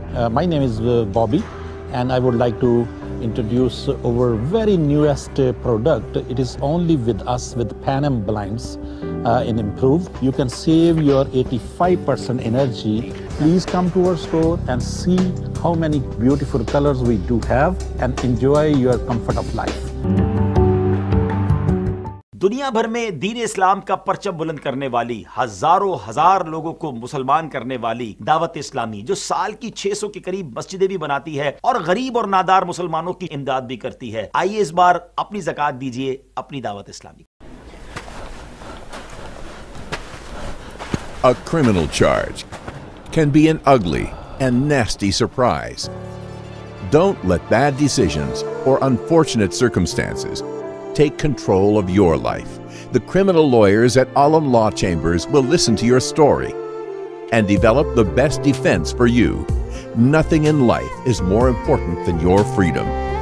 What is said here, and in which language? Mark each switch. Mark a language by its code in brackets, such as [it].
[en] My name is Bobby, and I would like to introduce our very newest product. It is only with us, with Pan Am Blinds. In improve, you can save your 85% energy. Please come to our store and see how many beautiful colors we do have and enjoy your comfort of life. [ur] دنیا بھر میں دین اسلام کا پرچم بلند کرنے والی ہزاروں ہزار لوگوں کو مسلمان کرنے والی دعوت اسلامی جو سال کی 600 کے قریب مسجدیں بھی بناتی ہے اور غریب اور نادار مسلمانوں کی امداد بھی کرتی ہے آئیے اس بار اپنی زکات دیجئے اپنی دعوت اسلامی [en] A criminal charge can be an ugly and nasty surprise. Don't let bad decisions or unfortunate circumstances take control of your life. The criminal lawyers at Alam Law Chambers will listen to your story and develop the best defense for you. Nothing in life is more important than your freedom.